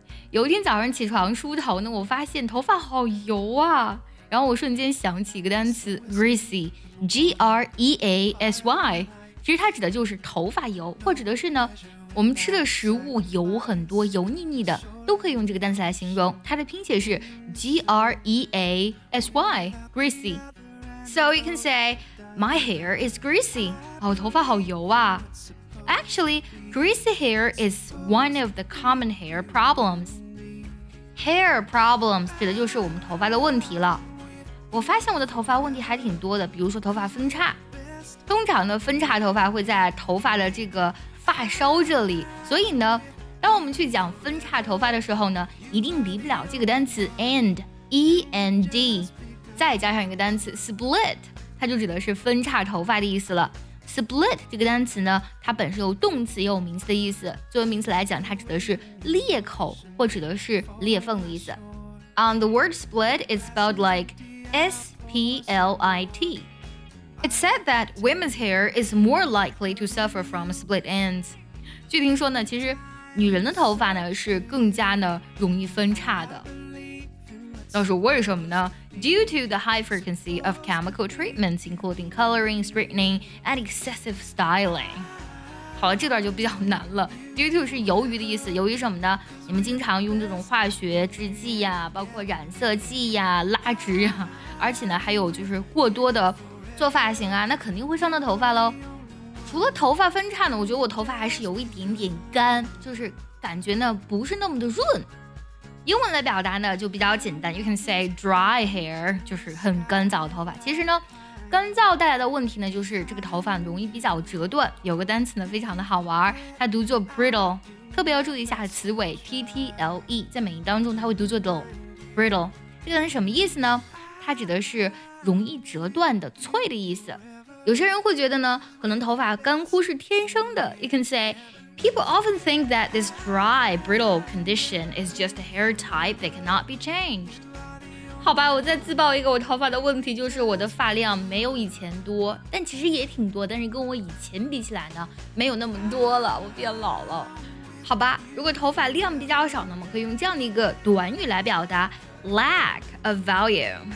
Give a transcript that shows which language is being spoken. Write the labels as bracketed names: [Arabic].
[Chinese] 有一天早上起床梳头呢，我发现头发好油啊，然后我瞬间想起一个单词 Greasy G-R-E-A-S-Y， 其实它指的就是头发油，或指的是呢我们吃的食物油很多，油腻腻的，都可以用这个单词来形容。它的拼写是 G-R-E-A-S-Y Greasy。 [English] So you can say My hair is greasy。 [Chinese] 哦，头发好油啊。 [English] Actually, greasy hair is one of the common hair problems. [Chinese] Hair problems 指的就是我们头发的问题了。我发现我的头发问题还挺多的，比如说头发分叉。通常呢，分叉头发会在头发的这个发梢这里，所以呢，当我们去讲分叉头发的时候呢，一定离不了这个单词 end, E-N-D, 再加上一个单词 split, 它就指的是分叉头发的意思了。 Split 这个单词呢，它本身有动词也有名词的意思，作为名词来讲，它指的是裂口或指的是裂缝的意思。 [English] The word split is spelled like S-P-L-I-T. It's said that women's hair is more likely to suffer from split ends. [Chinese] 据听说呢，其实女人的头发呢是更加呢容易分叉的。那是为什么呢？ [English] Due to the high frequency of chemical treatments, including coloring, straightening, and excessive styling. [Chinese] 好了，这段就比较难了。Due to 是由于的意思，由于什么呢？你们经常用这种化学制剂呀，包括染色剂呀、蜡质呀，而且呢，还有就是过多的做发型啊，那肯定会伤到头发喽。除了头发分叉呢，我觉得我头发还是有一点点干，就是感觉呢不是那么的润。英文的表达呢就比较简单， [English] You can say dry hair， [Chinese] 就是很干燥的头发。其实呢干燥带来的问题呢，就是这个头发容易比较折断。有个单词呢非常的好玩，它读作 brittle， 特别要注意一下词尾 T-T-L-E， 在美音当中它会读作 dull， brittle 这个是什么意思呢？它指的是容易折断的脆的意思。有些人会觉得呢可能头发干枯是天生的， [English] You can sayPeople often think that this dry, brittle condition is just a hair type that cannot be changed. [Chinese] 好吧，我再自曝一个我头发的问题，就是我的发量没有以前多，但其实也挺多，但是跟我以前比起来呢，没有那么多了，我变老了。好吧，如果头发量比较少呢，我们可以用这样的一个短语来表达 [English] lack of volume.